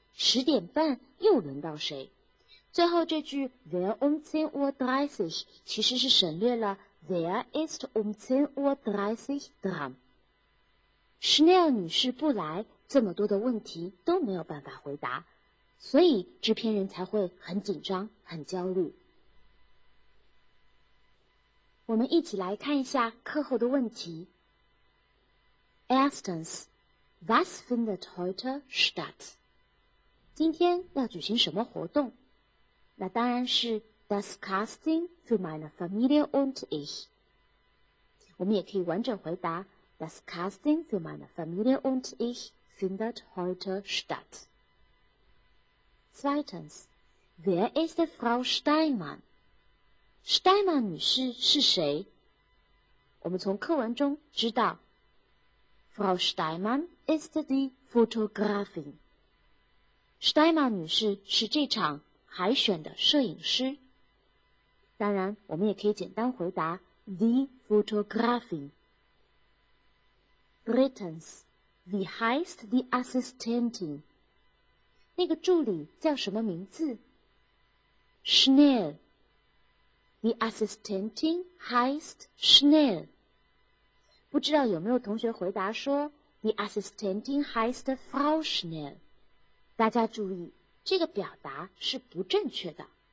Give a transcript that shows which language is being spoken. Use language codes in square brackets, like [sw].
[zh] 十点半又轮到谁？最后这句 [de] Wer um 10 Uhr 30? [zh] 其实是省略了 [de] Wer ist um 10 Uhr 30 dran? [zh] Schnell 女士不来，这么多的问题都没有办法回答。所以制片人才会很紧张很焦虑。我们一起来看一下课后的问题。 [de] Erstens, was findet heute statt? [zh] 今天要举行什么活动？那当然是 [de] das Casting für meine Familie und ich。 [zh] 我们也可以完整回答 [de] das Casting für meine Familie und ich findet heute statt. Zweitens, wer ist Frau Steinmann? [zh] Steinmann女士是谁? 我们从课文中知道, [de] Frau Steinmann ist die Fotografin. [zh] Steinmann女士是这场海选的摄影师。当然,我们也可以简单回答 [de] The Fotografin. Drittens, wie heißt die Assistentin? [zh] 那个助理叫什么名字? [de] Schnell. Die Assistentin heißt Schnell. [zh] 不知道有没有同学回答说 [de] Die Assistentin heißt Frau Schnell. [zh] 大家注意,这个表达是不正确的。